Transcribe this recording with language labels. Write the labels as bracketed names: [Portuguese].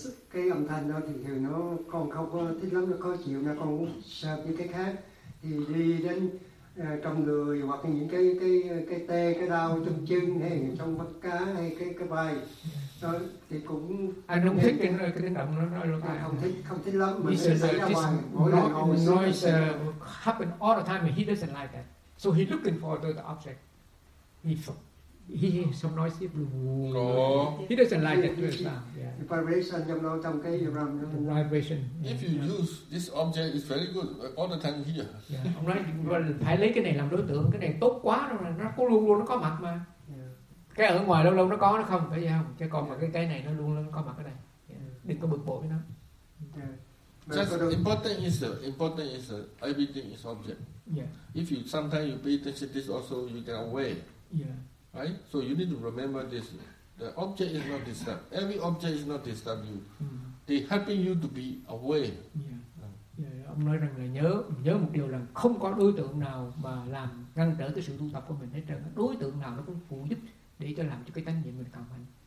[Vietnamese] Cái âm thanh đó thì thường nó còn không có thích lắm, nó khó chịu, nó còn sợ những cái khác. Thì đi đến trong người hoặc những cái tê, cái đau trong chân hay trong mắt cá hay cái vai đó, thì cũng anh không thích cái tiếng động nó nói luôn à, không thích lắm mà sẽ ra ngoài mỗi lần ông nói [English] happen all the time, he doesn't like that, so he looking for the object, he some noise he blue no he doesn't like that sound, yeah, the vibration [Vietnamese] trong đó, trong cái ram [English] the vibration, yeah. If you use this object is very good all the time here, [Vietnamese] yeah, ông nói phải lấy cái này làm đối tượng, cái này tốt quá rồi, nó có luôn luôn nó có mặt mà, yeah. Cái ở ngoài lâu lâu nó có, nó không phải vậy không chứ, còn yeah. Mà cái này nó luôn luôn có mặt ở đây, yeah. Đừng có bực bội với nó, [English] yeah. Just important is everything is object, yeah. If you sometimes you pay attention this also you get away, yeah. Right? So you need to remember this. The object is not disturbed. Every object is not disturbed you. They helping you to be aware. Yeah. Yeah. [Vietnamese] Ông nói rằng là nhớ một điều là không có đối tượng nào mà làm ngăn trở cái sự tu tập của mình hết trơn. Đối tượng nào nó cũng phụ giúp để cho làm cho cái tánh niệm mình cầu hạnh.